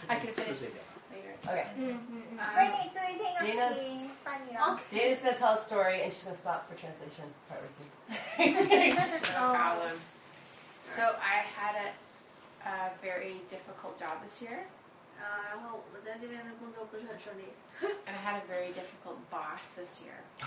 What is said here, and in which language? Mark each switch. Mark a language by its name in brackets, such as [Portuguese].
[English] I can finish. Later. Okay. Mm-hmm. Dana's gonna tell a story and she's gonna stop for translation part with you. No problem. So I had a very difficult job this year. [Chinese] 然后我在那边的工作不是很顺利。 [English] And I had a very difficult boss this year.